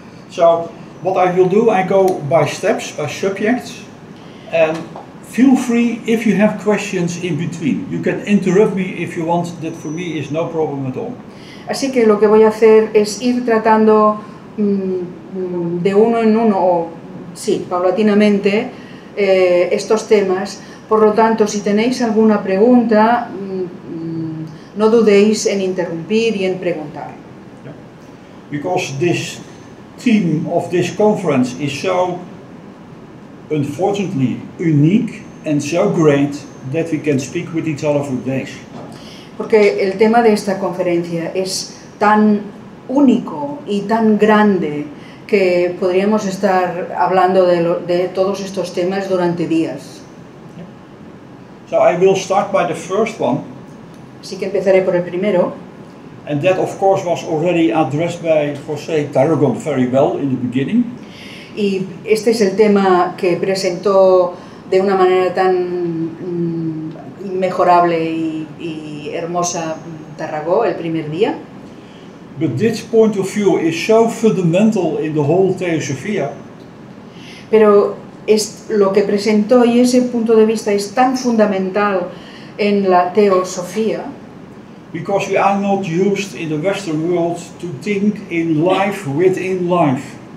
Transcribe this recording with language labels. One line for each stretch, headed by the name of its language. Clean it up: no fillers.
English: So, what I will do, I go by steps, by subjects, and feel free if you have questions in between. You can interrupt me if you want, that for me is no problem at all.
Spanish: Así que lo que voy a hacer es ir tratando de uno en uno, o sí, paulatinamente, estos temas. Por lo tanto, si tenéis alguna pregunta, no dudéis en interrumpir y en preguntar.
English: Yeah. Because this theme of this conference is so, unfortunately, unique and so great that we can speak with each other for days.
Spanish: Porque el tema de esta conferencia es tan único y tan grande que podríamos estar hablando de todos estos temas durante días.
English: So I will start by the first one.
Spanish: Así que empezaré por el primero.
English: And that of course was already addressed by José Tarragón very well in the beginning.
Spanish: Y este es el tema que presentó de una manera tan inmejorable y hermosa Tarragó el primer día.
English: But this point of view is so fundamental in the whole Theosophia.
Spanish: Pero es lo que presentó y ese punto de vista es tan fundamental en la Teosofía.
English: Because we are not used in the Western world to think in life within life.